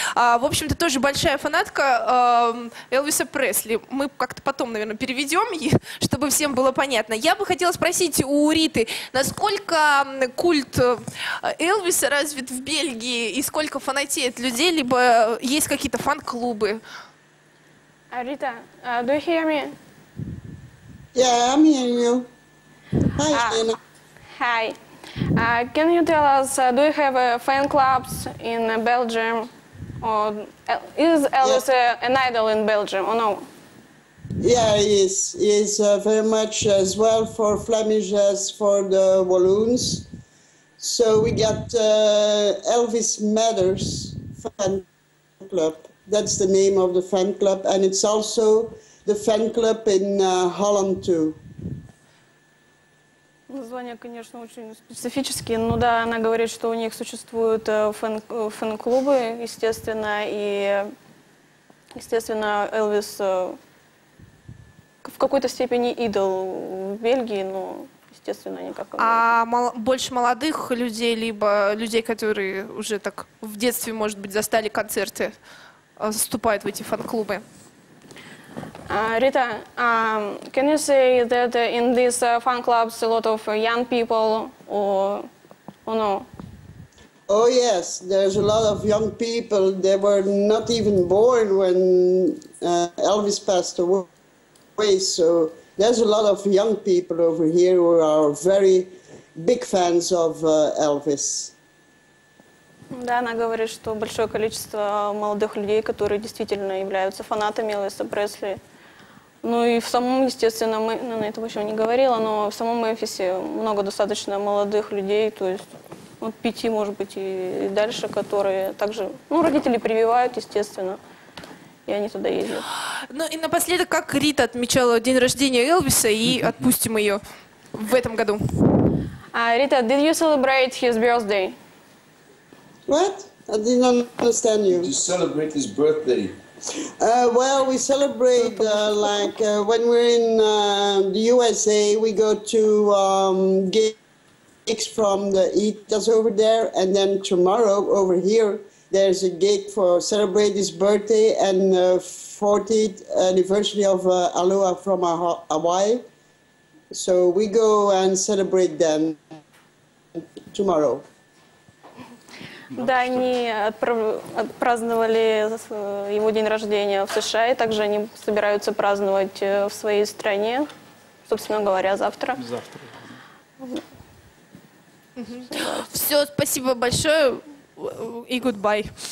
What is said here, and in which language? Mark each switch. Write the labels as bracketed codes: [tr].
[ru] В общем-то, тоже большая фанатка Элвиса Пресли. Мы как-то потом, наверное, переведем, чтобы всем было понятно. Я бы хотела спросить у Риты, насколько культ Элвиса развит в Бельгии и сколько фанатеет людей, либо есть какие-то фан-клубы? [en] Рита, do you hear me? Yeah, I'm hearing you. Hi, Anna. Hi. Can you tell us, do you have fan clubs in Belgium? Or is Elvis an idol in Belgium, or no? Yeah, he is. He is very much as well for Flemish as for the Walloons. So we got Elvis Matters fan club. That's the name of the fan club, and it's also the fan club in Holland too. [ru] Название, конечно, очень специфические, но да, она говорит, что у них существуют фэн-клубы, естественно, и, естественно, Элвис в какой-то степени идол в Бельгии, но, естественно, никак. А больше молодых людей, либо людей, которые уже так в детстве, может быть, застали концерты, вступают в эти фан-клубы? [en] Rita, can you say that in these fan clubs a lot of young people or no? Oh yes, there's a lot of young people. They were not even born when Elvis passed away. So there's a lot of young people over here who are very big fans of Elvis. [ru] Да, она говорит, что большое количество молодых людей, которые действительно являются фанатами Элвиса Пресли. Ну и в самом, естественно, мы, ну, на это вообще не говорила, но в самом Мемфисе много достаточно молодых людей, то есть вот пяти, может быть, и дальше, которые также, ну, родители прививают, естественно, и они туда ездят. Ну и напоследок, как Рита отмечала день рождения Элвиса, и отпустим ее в этом году. [en] Рита, did you celebrate his birthday? What? I did not understand you. Did you celebrate his birthday? Well, we celebrate when we're in the USA, we go to gigs from the Eaters over there, and then tomorrow over here there's a gig for celebrate his birthday and 40th anniversary of Aloha from Hawaii. So we go and celebrate them tomorrow. [ru] Да, они отпраздновали его день рождения в США, и также они собираются праздновать в своей стране, собственно говоря, завтра. Завтра. Все, спасибо большое и goodbye.